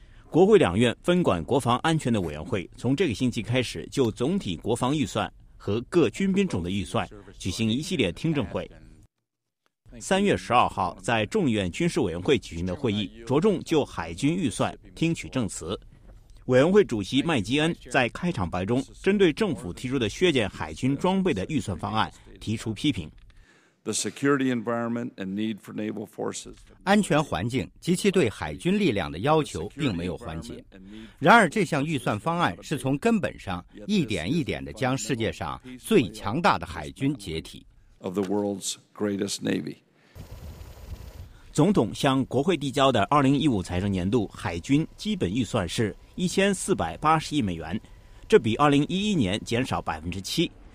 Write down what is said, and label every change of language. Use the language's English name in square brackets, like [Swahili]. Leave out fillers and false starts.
[Chinese] 国会两院分管国防安全的委员会从这个星期开始就总体国防预算和各军兵种的预算举行一系列听证会。 3月12号在众议院军事委员会举行的会议着重就海军预算听取证词。委员会主席麦基恩在开场白中针对政府提出的削减海军装备的预算方案提出批评。 [English] The security environment and need for naval forces. [Chinese] 安全环境及其对海军力量的要求并没有缓解。然而，这项预算方案是从根本上一点一点地将世界上最强大的海军解体。 [English] Of the world's greatest navy. [Chinese] 总统向国会递交的2015财政年度海军基本预算是1480亿美元，这比2011年减少7%。